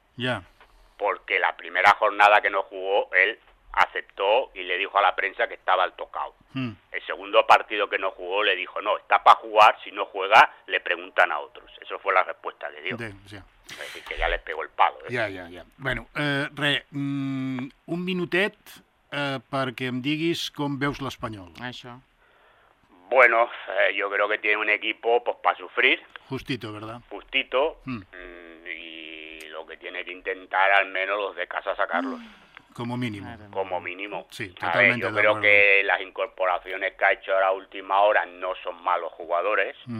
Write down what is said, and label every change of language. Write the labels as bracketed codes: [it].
[es] Ya. Porque la primera jornada que no jugó, él aceptó y le dijo a la prensa que estaba al tocado. El segundo partido que no jugó le dijo, no, está para jugar, si no juega le preguntan a otros. Eso fue la respuesta que dio. Es decir, que ya le pegó el palo. Ya. [ca] Bueno, un minutet perquè em diguis com veus l'Espanyol. Això. [es] Bueno, yo creo que tiene un equipo pues para sufrir. Justito, ¿verdad? Justito. Y lo que tiene que intentar al menos los de casa sacarlos. Como mínimo. Como mínimo. Sí, totalmente. Yo creo que las incorporaciones que ha hecho a la última hora no son malos jugadores.